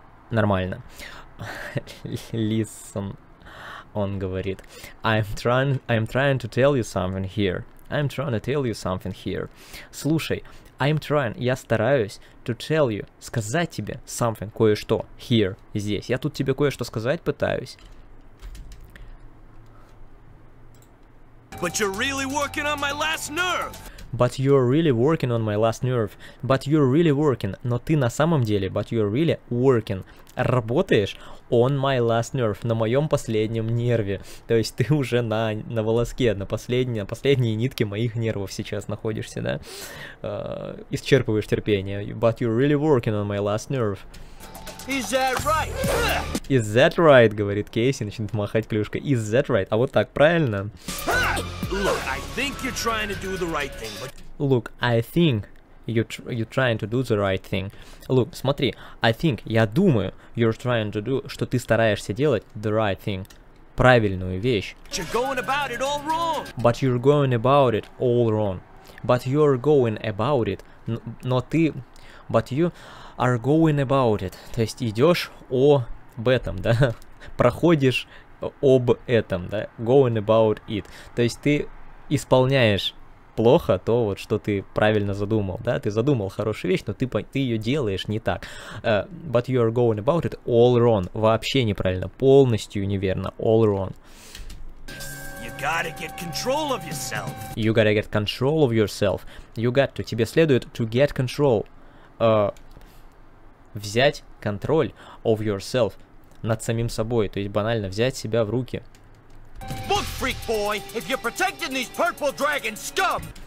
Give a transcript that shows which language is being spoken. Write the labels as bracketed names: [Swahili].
[Russian] Нормально. [English] Listen. [Russian] Он говорит. [English] I'm trying to tell you something here. I'm trying to tell you something here. [Russian] Слушай, [English] I'm trying. [Russian] Я стараюсь [English] to tell you. [Russian] Сказать тебе [English] something. [Russian] Кое-что. [English] Here. [Russian] Здесь. Я тут тебе кое-что сказать пытаюсь. [English] But you're really working on my last nerve. But you're really working on my last nerve. But you're really working. [Russian] Но ты на самом деле, [English] but you're really working. [Russian] Работаешь [English] on my last nerve. [Russian] На моем последнем нерве. То есть ты уже на волоске, на последней нитке моих нервов сейчас находишься, да? Исчерпываешь терпение. [English] But you're really working on my last nerve. Is that right? Is that right, [Russian] говорит Кейси, начинает махать клюшкой. [English] Is that right? [Russian] А вот так, правильно? [English] Look, I think you're trying to do the right thing, but... Look, I think you're trying to do the right thing. Look, [Russian] смотри, [English] I think, [Russian] я думаю, [English] you're trying to do, [Russian] что ты стараешься делать [English] the right thing, [Russian] правильную вещь. [English] But you're going about it all wrong. But you're going about it all wrong. But you're going about it, [Russian] но ты, [English] but you are going about it. [Russian] То есть идешь об этом, да? Проходишь... Об этом, да, [English] going about it. [Russian] То есть ты исполняешь плохо то, вот что ты правильно задумал, да, ты задумал хорошую вещь, но ты ее делаешь не так. [English] But you are going about it all wrong. [Russian] Вообще неправильно, полностью неверно, [English] all wrong. You gotta get control of yourself. You gotta get control of yourself. You got to. [Russian] Тебе следует [English] to get control. [Russian] Взять контроль [English] of yourself. [Russian] Над самим собой, то есть банально взять себя в руки. [English] Look, freak boy, if you're protecting these purple dragon scum.